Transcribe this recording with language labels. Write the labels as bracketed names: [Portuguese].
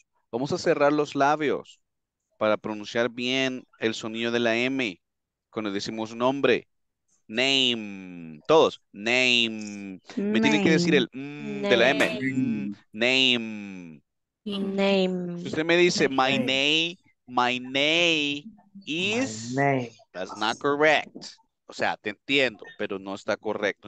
[Spanish] Vamos a cerrar los labios para pronunciar bien el sonido de la M. Cuando decimos nombre, name, todos, name. Me tienen que decir el de la M. [English] Name. Name. [Spanish] Usted me dice, [English] my name is, that's not correct. [Spanish] O sea, te entiendo, pero no está correcto.